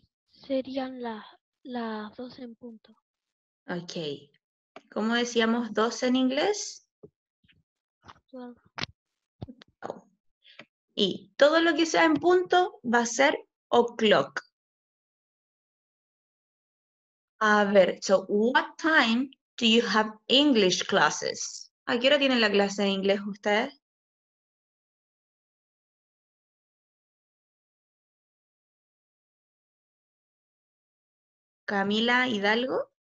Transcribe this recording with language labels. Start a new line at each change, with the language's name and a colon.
Spanish: Serían las 12 en punto. Ok. ¿Cómo decíamos 12 en inglés? 12. Y todo lo que sea en punto va a ser o'clock. A ver,
English: so what time do you have English classes?
Spanish: ¿A qué hora tienen la clase de inglés ustedes? Camila Hidalgo.